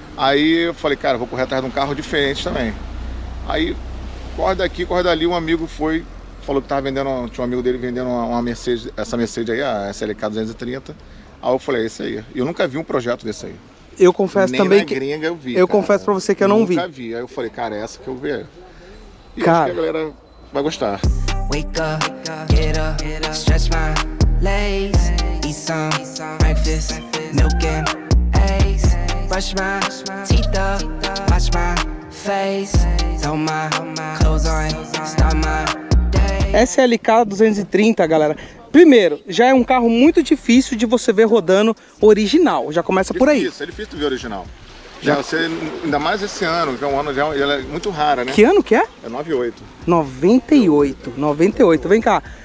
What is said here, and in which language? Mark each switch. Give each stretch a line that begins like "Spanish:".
Portuguese: Aí eu falei, cara, eu vou correr atrás de um carro diferente também. Aí, corre daqui, corre dali, um amigo foi, falou que tava vendendo, tinha um amigo dele vendendo uma Mercedes, essa Mercedes aí, a SLK 230. Aí eu falei, é esse aí. Eu nunca vi um projeto desse aí. Eu confesso nem também na que. Gringa eu vi. Eu confesso pra você que eu não nunca vi. Nunca vi. Aí eu falei, cara, é essa que eu vi. E cara, acho que a galera vai gostar.
English: Wake up, get up, stretch my legs, eat some breakfast, milk and eggs, brush my teeth up, wash my face, throw my clothes on, start my day.
Portuguese: SLK 230, galera. Primeiro, já é um carro muito difícil de você ver rodando original. Já começa difícil, por aí. É difícil ver original. Já você, ainda mais esse ano, que é um ano já ela é muito rara, né? Que ano que é? É 98. 98. 98. Vem cá.